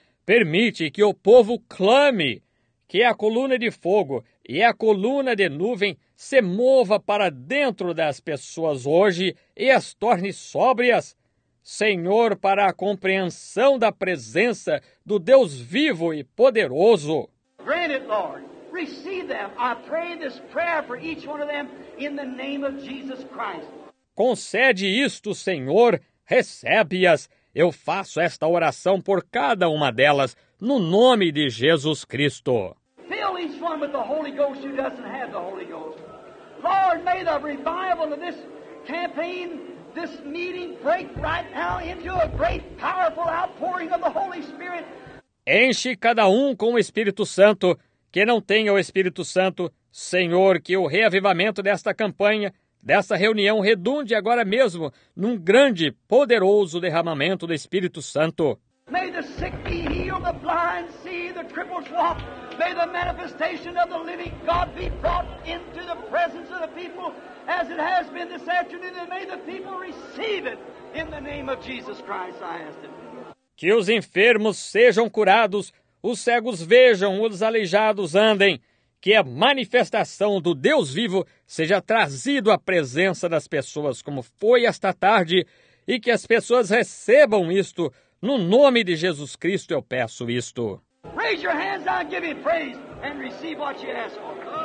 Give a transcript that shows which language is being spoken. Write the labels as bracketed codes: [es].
[pt] Permite que o povo clame, que a coluna de fogo e a coluna de nuvem se mova para dentro das pessoas hoje e as torne sóbrias, Senhor, para a compreensão da presença do Deus vivo e poderoso. [en] Grant it, Lord. Receive them. I pray this prayer for each one of them in the name of Jesus Christ. [pt] Concede isto, Senhor, recebe-as. Eu faço esta oração por cada uma delas, no nome de Jesus Cristo. [en] Fill each one with the Holy Ghost who doesn't have the Holy Ghost. Lord, may the revival of this campaign, this meeting, break right now into a great, powerful outpouring of the Holy Spirit. [pt] Enche cada um com o Espírito Santo. Que não tenha o Espírito Santo, Senhor, que o reavivamento desta campanha, dessa reunião, redunde agora mesmo num grande, poderoso derramamento do Espírito Santo. [en] May the sick be healed, the blind see, the crippled walk. May the manifestation of the living God be brought into the presence of the people as it has been this afternoon. And may the people receive it in the name of Jesus Christ, I ask it. [pt] Que os enfermos sejam curados, os cegos vejam, os aleijados andem. Que a manifestação do Deus vivo seja trazido à presença das pessoas, como foi esta tarde, e que as pessoas recebam isto. No nome de Jesus Cristo eu peço isto. [en] Raise your hands and give me praise and receive what you ask for.